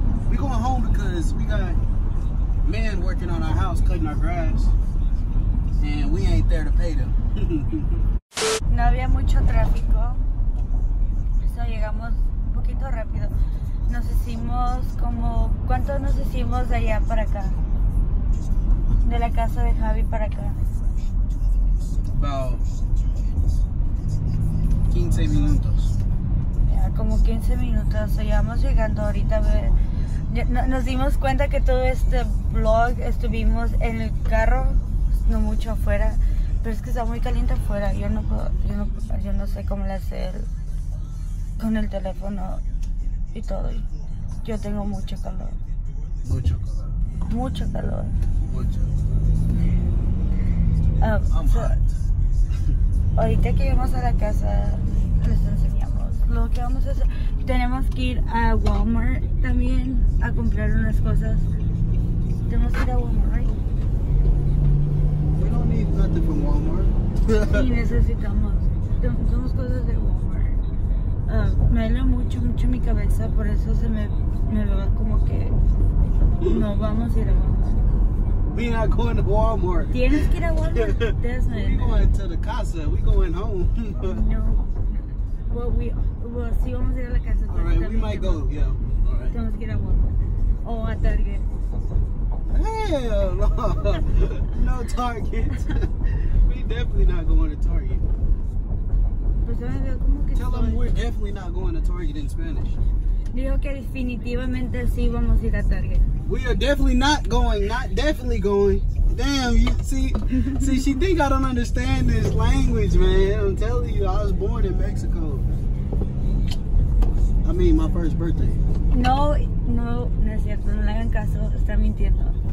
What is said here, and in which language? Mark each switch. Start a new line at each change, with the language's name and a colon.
English: We're going home because we got men working on our house, cutting our grass. And we ain't there to pay them.
Spanish: No había mucho tráfico. So llegamos un poquito rápido. Nos hicimos como... ¿Cuánto nos hicimos de allá para acá? De la casa de Javi para acá.
English: About 15 minutos.
Spanish: Yeah, como 15 minutos. So, ya vamos llegando ahorita. Nos dimos cuenta que todo este vlog estuvimos en el carro, no mucho afuera. Pero es que está muy caliente afuera. Yo no sé cómo le hacer con el teléfono y todo. Yo tengo mucho calor. Mucho calor. Mucho calor. Mucho.
English: I'm so, hot.
Spanish: Ahorita que vamos a la casa, les enseñamos lo que vamos a hacer. Tenemos que ir a Walmart también a comprar unas cosas. Tenemos que ir a Walmart, ¿verdad?
English: We don't need nothing from Walmart.
Spanish: Y necesitamos. Tenemos cosas de Walmart. Me duele mucho, mucho mi cabeza, por eso se me va como que no vamos a ir a Walmart.
English: We're not going to Walmart.
Spanish: Tienes que ir a Walmart.
English: We're going to the casa. We're going home.
Spanish: No. Well, sí vamos a ir a la casa.
English: All right, we might go, yeah. All right.
Spanish: Tenemos que ir a Walmart. O a Target.
English: Hell no. No Target. We definitely not going to Target.
Spanish: Pues yo me veo como que
English: tell them we're definitely not going to Target in Spanish.
Spanish: Dijo que definitivamente sí vamos a ir a Target.
English: We are definitely not going, not definitely going. Damn, you see, she think I don't understand this language, man. I'm telling you, I was born in Mexico. I mean, my first birthday.
Spanish: No, no, no es cierto, no le hagan caso, está mintiendo.